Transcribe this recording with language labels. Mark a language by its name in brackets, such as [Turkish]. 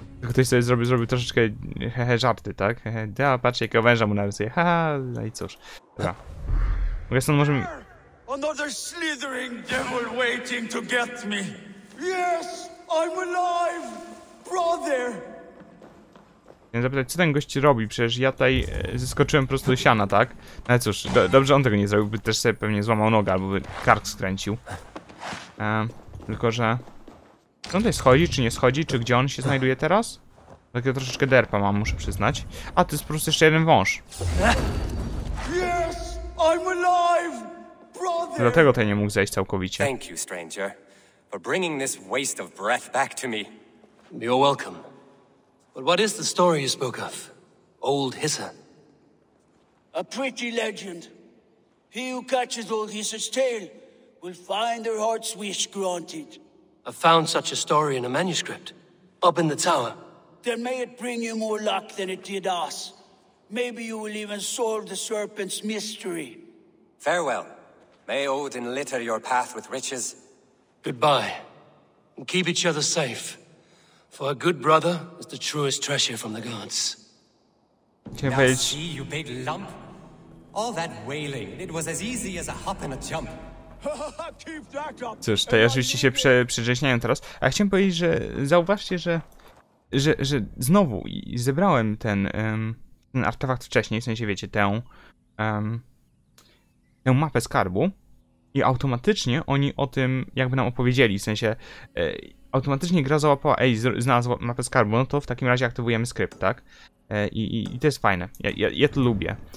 [Polish] Ktoś sobie zrobił troszeczkę hehe żarty, tak? Hehe, da, patrzcie jakiego węża mu narysuje, ha, no i cóż. Dobra. Mogę stąd możemy... [English] Another slithering devil waiting to get me. Yes, I'm alive, brother. [Polish] Chciałem zapytać, co ten gość robi? Przecież ja tutaj zeskoczyłem po prostu do siana, tak? No cóż, dobrze on tego nie zrobił, by też sobie pewnie złamał nogę, albo by kark skręcił. Tylko, że... Czy on tutaj schodzi, czy nie schodzi, czy gdzie on się znajduje teraz? Takie troszeczkę derpa mam, muszę przyznać. A, to jest po prostu jeszcze jeden wąż. [English] Yes, I'm alive, brother. [Polish] Dlatego tutaj nie mógł zejść całkowicie. [English] Thank you, stranger, for bringing this waste of breath back to me. You're welcome. But what is the story you spoke of, old Hisser? A pretty legend. He who catches old Hisser's tail will find their heart's wish granted. I found such a story in a manuscript, up in the tower. Then may it bring you more luck than it did us. Maybe you will even solve the serpent's mystery. Farewell. May Odin litter your path with riches. Goodbye. And keep each other safe. For a good brother is the truest treasure from the gods. Now see, you big lump. All that wailing, it was as easy as a hop and a jump. [Polish] Cóż, to ja rzeczywiście się przedrzeźniałem teraz. A chciałem powiedzieć, że zauważcie, że znowu zebrałem ten artefakt wcześniej, w sensie wiecie, tę mapę skarbu i automatycznie oni o tym jakby nam opowiedzieli, w sensie automatycznie gra załapała, ej, znalazła mapę skarbu, no to w takim razie aktywujemy skrypt, tak? I to jest fajne. Ja to lubię.